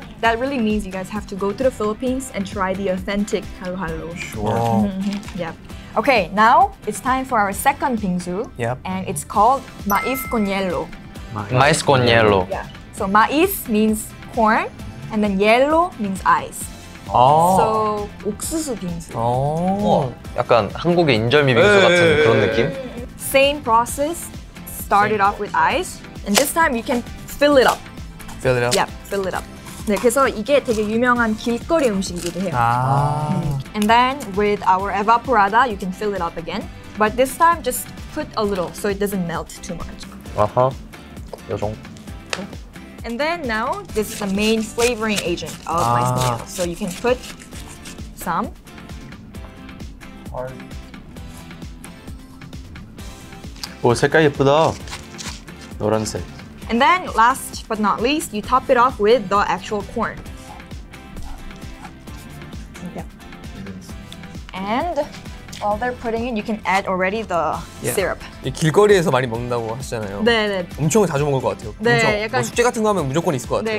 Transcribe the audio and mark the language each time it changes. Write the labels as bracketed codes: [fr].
[en] That really means you guys have to go to the Philippines and try the authentic halo halo. Sure. Yep. Okay, now it's time for our second bingsu. Yep. And it's called maiz con hielo. Maiz con hielo. Yeah. So maiz means corn, and then hielo means ice. Oh. [ko] So, 옥수수 빙수. 오. 약간 한국의 인절미 빙수 같은 에이. 그런 느낌? [en] Same process. Started off with ice. And this time you can fill it up. Fill it up? Yep, fill it up. [ko] 네, 그래서 이게 되게 유명한 길거리 음식이기도 해요. 아. [en] And then with our evaporada, you can fill it up again. But this time just put a little so it doesn't melt too much. [ko] 아하. 요정. [en] And then now, this is the main flavoring agent of maiz con hielo. So you can put some. [ko] Oh, 색깔 예쁘다. 노란색. [en] And then last but not least, you top it off with the actual corn. Yep. And while they're putting it, you can add already the syrup. [ko] 이 길거리에서 많이 먹는다고 하시잖아요. 네네. 엄청 자주 먹을 것 같아요. 네, 엄청. 약간 뭐 숙제 같은 거 하면 무조건 있을 것 같아요.